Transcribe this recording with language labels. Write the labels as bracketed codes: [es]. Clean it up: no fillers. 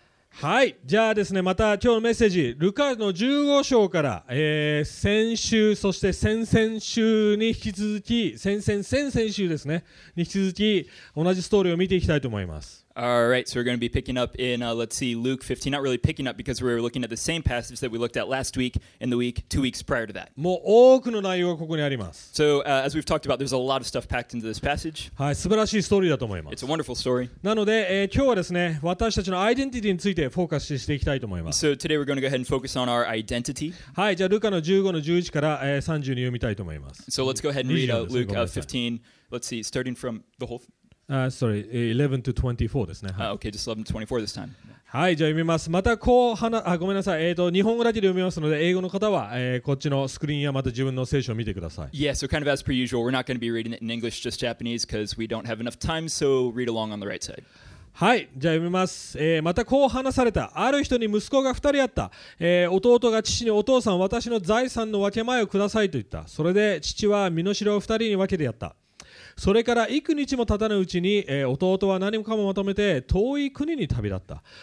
[ja] はい、じゃあですね、また今日のメッセージルカの15章から、先週そして先々週に引き続き先々週ですねに引き続き同じストーリーを見ていきたいと思います。 [en] Alright, so we're going to be picking up in, let's see, Luke 15. Not really picking up because we were looking at the same passage that we looked at last week and the week, 2 weeks prior to that. [ja] もう多くの内容がここにあります。 [en] So, as we've talked about, there's a lot of stuff packed into this passage. [ja] はい、素晴らしいストーリーだと思います。 [en] It's a wonderful story. [ja] なので、今日はですね、私たちのアイデンティティについてフォーカスしていきたいと思います。 [en] So today we're going to go ahead and focus on our identity. [ja] はい、じゃあルカの15の11から、30に読みたいと思います。 [en] So let's go ahead and read out Luke 15. Let's see, starting from the whole... Sorry, 11 to 24ですね。 Okay, just 11 to 24 this time. [ja] はい、じゃあ読みます。またこう話、あ、ごめんなさい。日本語だけで読みますので、英語の方は、こっちのスクリーンやまた自分の聖書を見てください。 [en] Yeah, so kind of as per usual, we're not going to be reading it in English, just Japanese, because we don't have enough time, so read along on the right side. [ja] はい、じゃあ読みます。またこう話された。ある人に息子が二人あった、弟が父にお父さん、私の財産の分け前をくださいと言った。それで父は身の代を二人に分けてやった。それから幾日も経たぬうちに、弟は何もかもまとめて遠い国に旅立った。